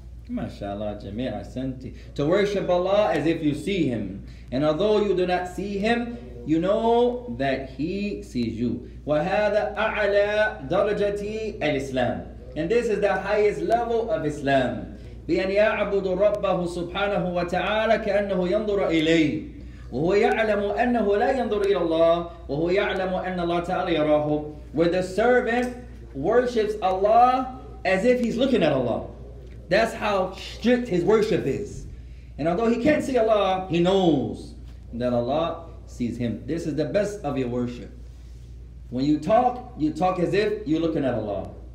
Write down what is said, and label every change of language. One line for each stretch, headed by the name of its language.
English: MashaAllah,
Arabic: jamee ahsanti.
English: To worship Allah as if you see Him. And although you do not see Him, you know that He sees you.
Arabic: وهذا أعلى درجة الإسلام.
English: And this is the highest level of Islam.
Arabic: بأن يعبد ربه سبحانه وتعالى كأنه ينظر إليه وهو يعلم أنه لا ينظر إلى الله وهو يعلم أن الله تعالى يراه.
English: Where the servant worships Allah as if he's looking at Allah. That's how strict his worship is. And although he can't see Allah, he knows that Allah sees him. This is the best of your worship. When you talk as if you're looking at Allah.